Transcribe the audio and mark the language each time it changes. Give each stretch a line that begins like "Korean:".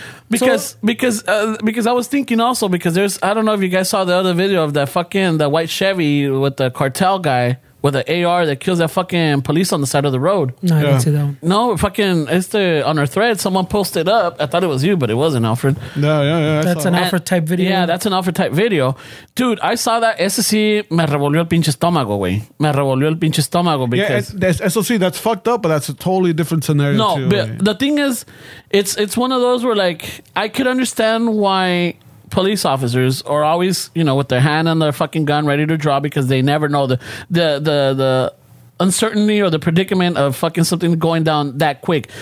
English: Because I was thinking also, because there's, I don't know if you guys saw the other video of that fucking, the white Chevy with the cartel guy with an AR that kills that fucking police on the side of the road. No, I didn't see that one. No, fucking, it's the, on our thread, someone posted up. I thought it was you, but it wasn't, Alfred. No, yeah, yeah. That's an Alfred type video. Yeah, that's an Alfred type video. Dude, I saw that.
Spanish: Eso sí, me revolvió el pinche estómago, güey. Me revolvió el pinche estómago
English: because... Yeah,
Spanish: eso sí,
English: that's fucked up, but that's a totally different scenario, no, too. No, but the thing is, it's one of those where, like, I could understand why... Police officers are always, you know, with their hand on their fucking gun ready to draw because they never know the uncertainty or the predicament of fucking something going down that quick.